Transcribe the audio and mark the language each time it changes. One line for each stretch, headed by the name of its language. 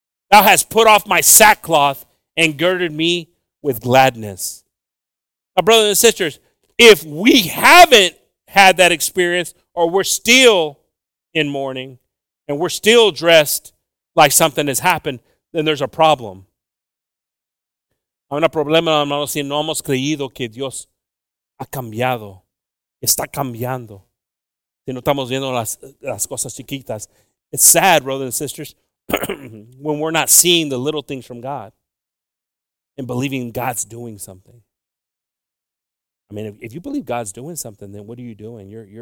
English: Thou hast put off my sackcloth and girded me with gladness. Now, brothers and sisters, if we haven't had that experience, or we're still in mourning, and we're still dressed like something has happened, then there's a problem.
Spanish: Hay un problema, hermanos, si no hemos creído que Dios ha cambiado, está cambiando. Si no estamos viendo las cosas chiquitas.
English: It's sad, brothers and sisters, when we're not seeing the little things from God and believing God's doing something. I mean, if you believe God's doing something, then what are you doing?